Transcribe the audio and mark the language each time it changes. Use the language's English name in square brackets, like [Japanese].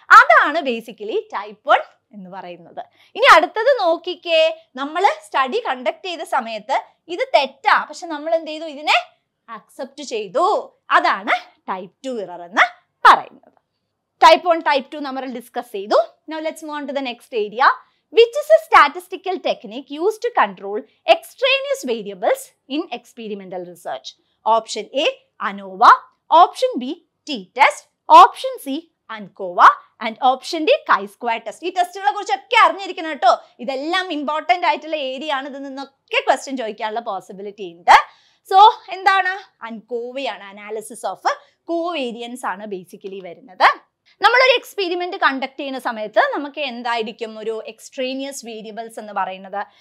[Malayalam] അതാണ് basically type 1 എന്ന് പറയുന്നത്. ഇനി അടുത്തത് നോക്കിക്കേ, നമ്മൾ സ്റ്റഡി കണ്ടക്ട് ചെയ്ത സമയത്ത് ഇത് തെറ്റാ, പക്ഷെ നമ്മൾ എന്ത് ചെയ്തു, ഇതിനെ അക്സെപ്റ്റ് ചെയ്തു. അതാണ് ടൈപ്പ് 2 എറർ എന്ന് പറയുന്നത്. ടൈപ്പ് 1 ടൈപ്പ് 2 നമ്മൾ ഡിസ്കസ് ചെയ്തു. [English] Now let's move on to the next area, which is a statistical technique use to control extraneous variables in experimental research. Option A ANOVA, option B t-test, option c ANCOVA, and option d chi-square test. [Malayalam] ഈ ടെസ്റ്റുകളെ കുറിച്ചൊക്കെ അറിഞ്ഞിരിക്കണം കേട്ടോ. ഇതെല്ലാം important ആയിട്ടുള്ള area ആണ്. ഇതിൽ നിന്നൊക്കെ question ചോദിക്കാനുള്ള പോസിബിലിറ്റി ഉണ്ട്. സോ എന്താണ്, ANCOVA-യാണ്, അനാലിസിസ് ഓഫ് കോവേരിയൻസ് ആണ് ബേസിക്കലി വരുന്നത്. നമ്മളൊരു എക്സ്പെരിമെന്റ് കണ്ടക്ട് ചെയ്യുന്ന സമയത്ത് നമുക്ക് എന്തായിരിക്കും ഒരു എക്സ്ട്രേനിയസ് വേരിയബിൾസ് എന്ന് പറയുന്നത്?